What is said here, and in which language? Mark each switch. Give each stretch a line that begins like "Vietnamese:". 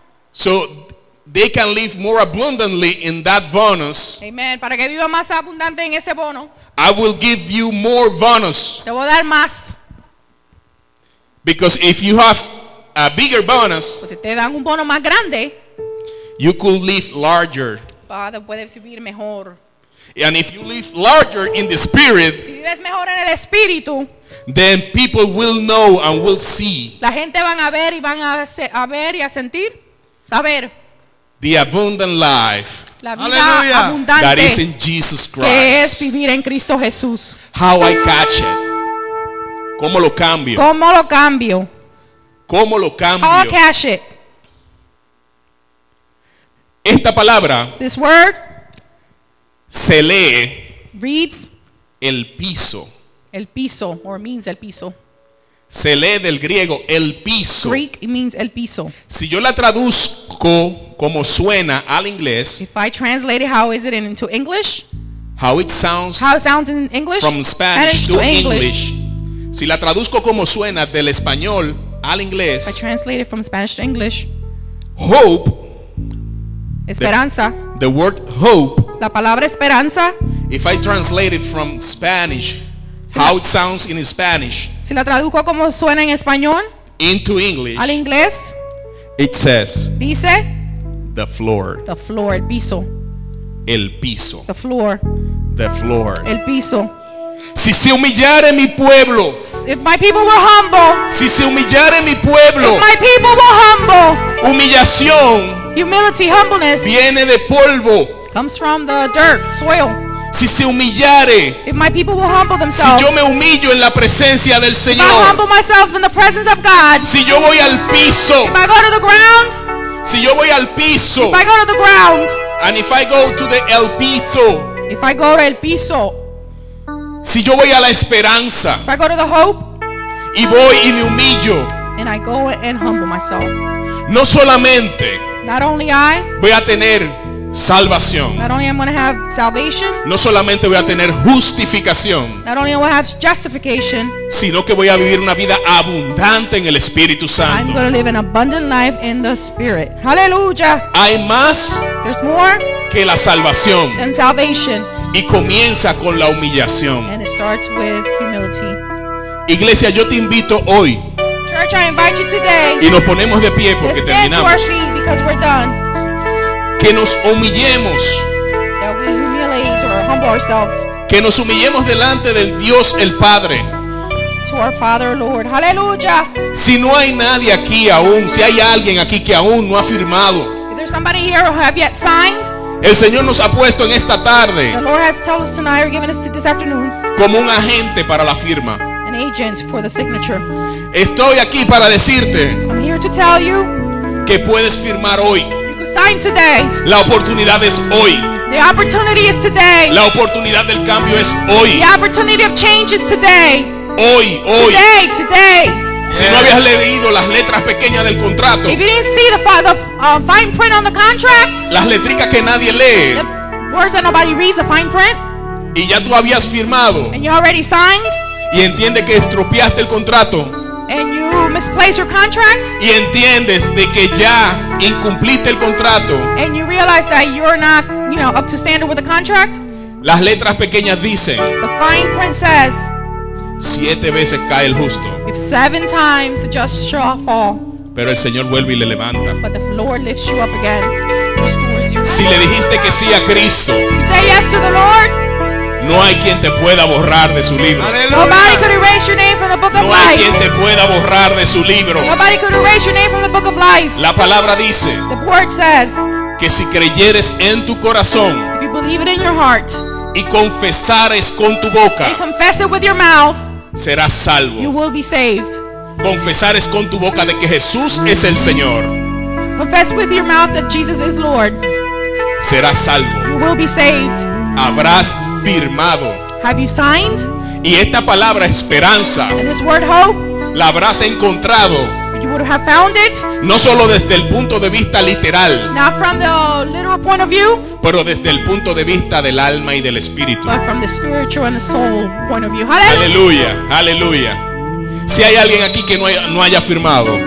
English: So they can live more abundantly in that bonus. Amen.
Spanish: Para que viva más abundante en ese bono.
English: I will give you more bonus.
Spanish: Te voy a dar más.
English: Because if you have a bigger bonus,
Spanish: pues si te dan un bono más grande,
English: you could live larger.
Spanish: Padre, puedes vivir mejor.
English: And if you live larger in the spirit,
Spanish: si vives mejor en el espíritu,
English: then people will know and will see.
Spanish: La gente van a ver y van a ver y a sentir, saber.
English: The abundant life.
Spanish: La vida, aleluya, abundante.
English: That is in Jesus Christ.
Spanish: Que es vivir en Cristo Jesús.
English: How I catch it.
Spanish: ¿Cómo lo cambio? ¿Cómo lo cambio? ¿Cómo lo cambio?
English: How I catch it.
Spanish: Esta palabra.
English: This word.
Spanish: Se lee.
English: Reads.
Spanish: El piso. El piso,
English: or means
Spanish: el piso. Se lee del griego el piso.
English: Greek means el piso.
Spanish: Si yo la traduzco como suena al inglés.
English: If I translate it, how is it into English? How it sounds. How it sounds in English? From Spanish to English.
Spanish: Si la traduzco como suena del español al inglés.
English: If I translate it from Spanish to English. Hope.
Spanish: Esperanza.
English: The word hope.
Spanish: La palabra esperanza.
English: If I translate it from Spanish. How it sounds in Spanish.
Spanish: Si la traduzco como suena en español.
English: Into English.
Spanish: Al inglés.
English: It says.
Spanish: Dice.
English: The floor. The floor, el piso.
Spanish: El piso.
English: The floor. The floor.
Spanish: El piso. Si se humillare mi pueblo,
English: if my people were humble,
Spanish: si se humillare mi pueblo,
English: if my people were humble,
Spanish: humillación,
English: humility, humbleness,
Spanish: viene de polvo,
English: comes from the dirt, soil.
Spanish: Si se humillare,
English: if my people will humble themselves,
Spanish: si yo me humillo en la presencia del Señor,
English: if I humble myself in the presence of God,
Spanish: si yo voy al piso,
English: if I go to the ground,
Spanish: si yo voy al piso,
English: if I go to the ground, and if I go to the el piso, if I go to el piso,
Spanish: si yo voy a la esperanza,
English: if I go to the hope,
Spanish: y voy y me humillo,
English: and I go and humble myself,
Spanish: no solamente,
English: not only I,
Spanish: voy a tener salvación.
English: Not only am I going to have salvation,
Spanish: no solamente voy a tener justificación,
English: not only will I have justification,
Spanish: sino que voy a vivir una vida abundante en el Espíritu Santo.
English: I'm going to live an abundant life in the Spirit. Hallelujah.
Spanish: Hay más,
English: there's more,
Spanish: que la salvación
English: and salvation,
Spanish: y comienza con la humillación,
English: and it starts with humility.
Spanish: Iglesia, yo te invito hoy,
English: church, I invite you today,
Spanish: y nos ponemos de pie porque terminamos,
English: to stand to our feet because we're done.
Spanish: Que nos humillemos.
English: That we humiliate or humble ourselves.
Spanish: Que nos humillemos delante del Dios el Padre.
English: To our Father, Lord. Hallelujah.
Spanish: Si no hay nadie aquí aún, si hay alguien aquí que aún no ha firmado,
English: if there's somebody here who have yet signed,
Spanish: el Señor nos ha puesto en esta tarde,
English: the Lord has told us tonight, or given us this afternoon,
Spanish: como un agente para la firma.
English: An agent for the signature.
Spanish: Estoy aquí para decirte,
English: I'm here to tell you,
Spanish: que puedes firmar hoy.
English: Sign today.
Spanish: La oportunidad es hoy.
English: The opportunity is today.
Spanish: La oportunidad del cambio es hoy.
English: The opportunity of change is today.
Spanish: Hoy, hoy.
English: Today, today.
Spanish: Si no habías leído las letras pequeñas del contrato,
English: if you didn't see the fine print on the contract,
Spanish: las letricas que nadie lee,
English: the words that nobody reads, the fine print,
Spanish: y ya tú habías firmado,
English: and you already signed,
Spanish: y entiende que estropeaste el contrato,
English: and you misplace your contract,
Spanish: y entiendes de que ya incumpliste el contrato,
English: and you realize that you're not, you know, up to standard with the contract.
Spanish: Las letras pequeñas dicen,
English: the fine print says,
Spanish: siete veces cae el justo,
English: if seven times the just shall fall,
Spanish: pero el Señor vuelve y le levanta,
English: but the Lord lifts you up again, restores you.
Spanish: Si le dijiste que sí a Cristo,
English: you say yes to the Lord,
Spanish: no hay quien te pueda borrar de su libro.
English: Nobody could erase your name from the book of life.
Spanish: No hay quien te pueda borrar de su libro.
English: Nobody could erase your name from the book of life.
Spanish: La palabra dice,
English: the word says,
Spanish: que si creyeres en tu corazón,
English: if you believe it in your heart,
Spanish: y confesares con tu boca,
English: and confess it with your mouth,
Spanish: serás salvo.
English: You will be saved.
Spanish: Confesares con tu boca de que Jesús es el Señor,
English: confess with your mouth that Jesus is Lord,
Spanish: serás salvo.
English: You will be saved.
Spanish: Habrás firmado.
English: Have you signed?
Spanish: Y esta palabra esperanza,
English: and this word hope,
Spanish: la habrás encontrado,
English: you would have found it,
Spanish: no solo desde el punto de vista literal,
English: not from the literal point of view,
Spanish: pero desde el punto de vista del alma y del espíritu,
English: but from the spiritual and the soul point of view. Hallelujah. Hallelujah. Hallelujah.
Spanish: Si hay alguien aquí que no haya firmado,